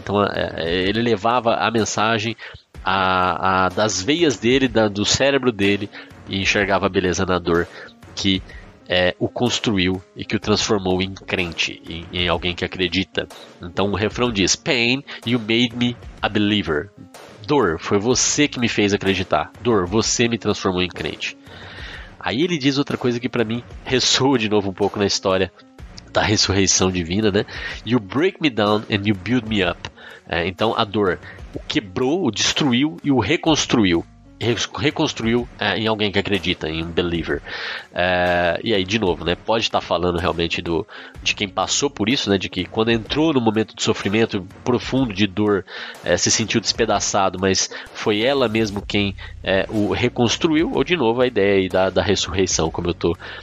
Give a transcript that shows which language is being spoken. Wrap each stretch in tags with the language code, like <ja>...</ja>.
<pt>Então ele levava a mensagem das veias dele, do cérebro dele, e enxergava a beleza na dor que o construiu e que o transformou em crente, em alguém que acredita. Então o refrão diz:</pt> <en>pain, you made me a believer.</en> <pt>Dor, foi você que me fez acreditar. Dor, você me transformou em crente. Aí ele diz outra coisa que, para mim, ressoa de novo um pouco na história da ressurreição divina, né?</pt> <en>You break me down and you build me up.</en> <pt>Então a dor o quebrou, o destruiu e o reconstruiu. Reconstruiu em alguém que acredita, em um believer. E aí, de novo, né, pode estar falando realmente de quem passou por isso, né, de que quando entrou no momento de sofrimento profundo, de dor, se sentiu despedaçado, mas foi ela mesmo quem o reconstruiu. Ou, de novo, a ideia aí da ressurreição, como eu estou</pt>